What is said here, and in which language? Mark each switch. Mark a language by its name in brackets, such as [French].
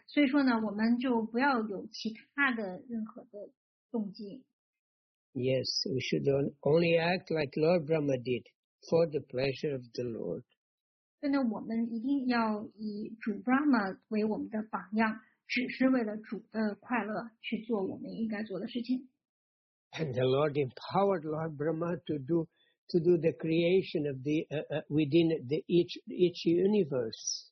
[Chinese] 所以说呢，我们就不要有其他的任何的动机。 [English] Yes, we should only act like Lord Brahma did for the pleasure of the Lord. [Chinese] 所以呢，我们一定要以主 Brahma 为我们的榜样，只是为了主的快乐去做我们应该做的事情。 [English] And the Lord empowered Lord Brahma to do the creation of the within the each universe.